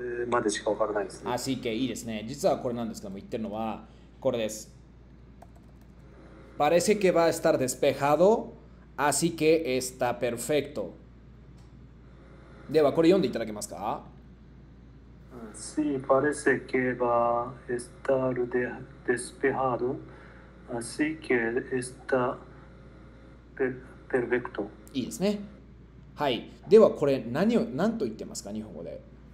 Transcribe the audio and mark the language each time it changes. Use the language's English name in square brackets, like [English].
[Japanese] までしか分からないですね。 Así que いいですね。実はこれなんですけども、言ってるのはこれです。 [Spanish] Parece que va a estar despejado, así que está perfecto. [Japanese] ではこれ読んでいただけますか。 [Spanish] Sí, parece que va a estar despejado, así que está perfecto. [Japanese] いいですね。はい。ではこれ何と言ってますか、日本語で。